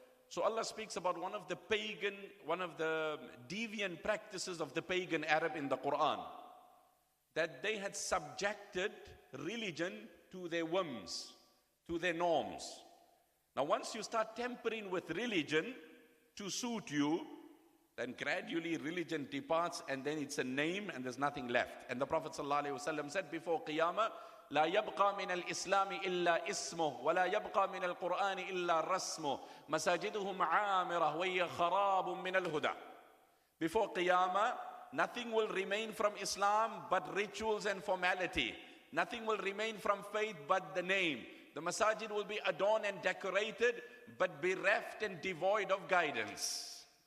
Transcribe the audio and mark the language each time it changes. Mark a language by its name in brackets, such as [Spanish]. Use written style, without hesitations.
[English] So Allah speaks about one of the pagan, one of the deviant practices of the pagan Arab in the Quran, that they had subjected religion to their whims, to their norms. Now once you start tempering with religion to suit you, then gradually religion departs and then it's a name and there's nothing left. And the Prophet ﷺ said before Qiyamah, [Arabic] لا يبقى من الإسلام إلا اسمه ولا يبقى من القرآن إلا رسمه مساجدهم عامرة وهي خراب من الهدى. [English] Before Qiyamah, nothing will remain from Islam but rituals and formality. Nothing will remain from faith but the name. The masajid will be adorned and decorated but bereft and devoid of guidance.